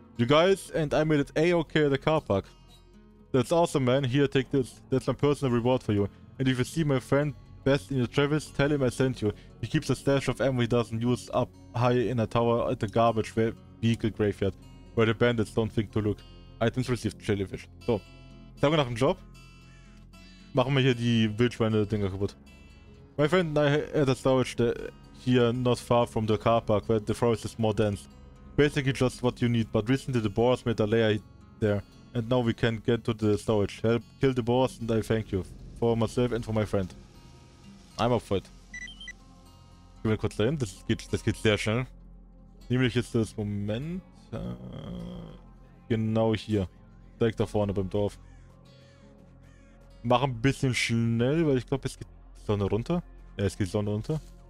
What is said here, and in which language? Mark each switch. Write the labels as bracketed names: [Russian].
[English] You guys and I made it A-okay at the car park. That's awesome, man. Here, take this. That's my personal reward for you. And if you see my friend best in your travels, tell him I sent you. He keeps a stash of ammo he doesn't use up high in a tower at the garbage vehicle graveyard, where the bandits don't think to look. Items received, jellyfish. So. [German] Sagen wir nach dem Job. Machen wir hier die Wildschweine-Dinger kaputt. [English] My friend and I had a storage here not far from the car park, where the forest is more dense. Basically just what you need, but recently the boars made a lair there, and now we can get to the storage. Help kill the boars, and I thank you for myself and for my friend. I'm up for it. [German] Gehen wir kurz dahin, das geht sehr schnell. Nämlich ist das Moment, genau hier, direkt da vorne beim Dorf. Mach ein bisschen schnell, weil ich glaube, es geht die Sonne runter. Ja, es geht die Sonne runter.